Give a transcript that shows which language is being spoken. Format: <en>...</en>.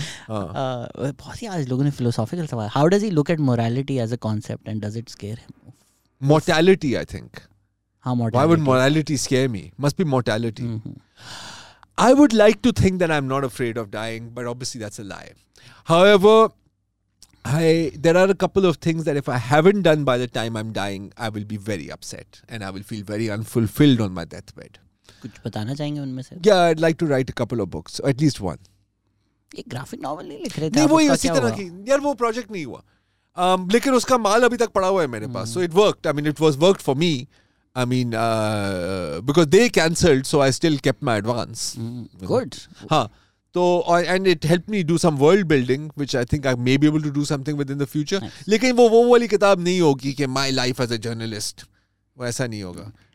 <hi>बहुत ही आज लोगों ने फिलोसॉफिकल सवाल.</hi> <en>How does he look at morality as a concept and does it scare him. Mortality I think.</en> <hi>हाँ</hi> <en>Why would morality scare me, must be mortality. I would like to think that I am not afraid of dying but obviously that's a lie. However there are a couple of things that if I haven't done by the time I'm dying, I will be very upset and I will feel very unfulfilled on my deathbed.</en> <hi>कुछ बताना चाहेंगे उनमें से?</hi> <en>Yeah, I'd like to write a couple of books, at least one.</en> <hi>ये graphic novel नहीं लिख रहे थे? नहीं वो इसी तरह की. यार वो project नहीं हुआ. लेकिन उसका माल अभी तक पड़ा हुआ है मेरे पास.</hi> <en>So it worked. I mean, it was worked for me. I mean, because they cancelled, so I still kept my advance. Good. And it helped me do some world building, which I think I may be able to do something within the future.</en> <hi>Lekin wo wali kitab nahi hogi ki</hi> <en>my life as a journalist.</en> <hi>Waisa nahi hoga.</hi>